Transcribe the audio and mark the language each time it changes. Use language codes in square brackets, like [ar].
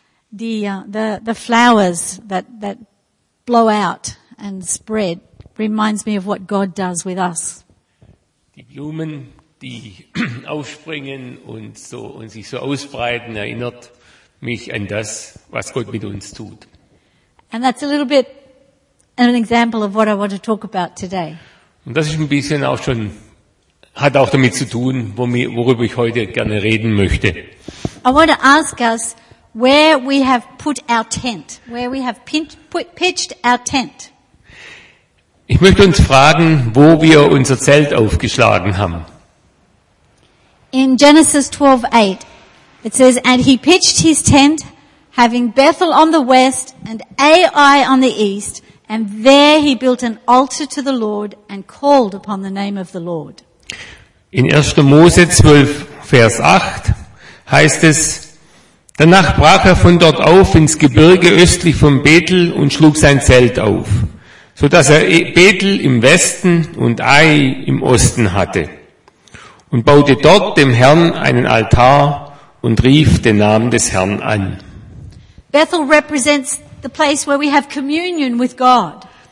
[en] The flowers that blow out and spread reminds me of what God does with us. [de] Die Blumen, die aufspringen und so und sich so ausbreiten, erinnert mich an das, was Gott mit uns tut. [en] And that's a little bit an example of what I want to talk about today. [de] Und das ist ein bisschen auch schon hat auch damit zu tun, worüber ich heute gerne reden möchte. [en] I want to ask us where we have put our tent, where we have pitched our tent. [de] Ich möchte uns fragen, wo wir unser Zelt aufgeschlagen haben. [en] In Genesis 12:8, it says, "And he pitched his tent, having Bethel on the west and Ai on the east, and there he built an altar to the Lord and called upon the name of the Lord." [de] In 1. Mose 12, Vers 8 heißt es, danach brach er von dort auf ins Gebirge östlich von Bethel und schlug sein Zelt auf, so dass er Bethel im Westen und Ai im Osten hatte und baute dort dem Herrn einen Altar und rief den Namen des Herrn an. [en] Bethel represents the place where we have communion with God.